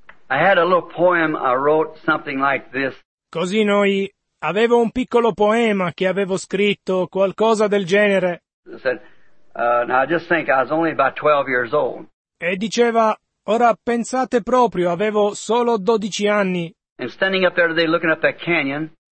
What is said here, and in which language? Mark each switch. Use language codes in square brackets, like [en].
[en] I had a little poem I wrote something like this. [it] Così noi avevo un piccolo poema che avevo scritto, qualcosa del genere. [en] Now just think, I was only about 12 years old. [it] E diceva, ora pensate proprio, avevo solo 12 anni. [en] And standing up there today looking up that canyon.